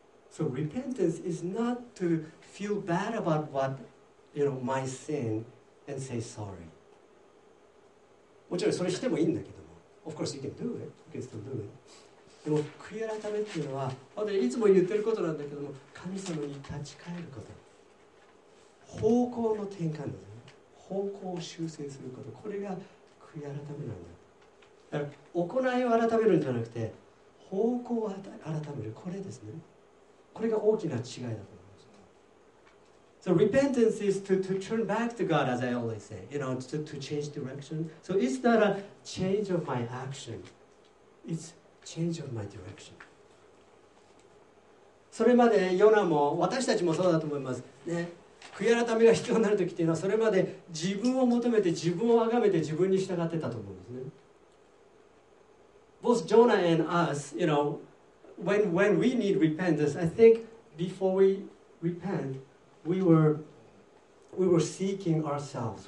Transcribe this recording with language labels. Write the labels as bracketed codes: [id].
[en] So repentance is not to feel bad about what, you know, my sin and say sorry. [ja] もちろんそれしてもいいんだけども。 [en] Of course you can do it. You can still do it. [ja] でも悔い改めっていうのは、私いつも言ってることなんだけども、神様に立ち返ること。方向の転換ですね。方向を修正すること。これが悔い改めなんだ。行いを改めるんじゃなくて方向を改める、これですね。これが大きな違いだと思います。 [en] So repentance is to turn back to God, as I always say, you know, to change direction. So it's not a change of my action, it's change of my direction. [ja] それまでヨナも私たちもそうだと思いますね。悔い改めが必要になる時っていうのは、それまで自分を求めて、自分を崇めて、自分に従ってたと思うんですね。 [en] Both Jonah and us, you know, when we need repentance, I think before we repent, we were seeking ourselves.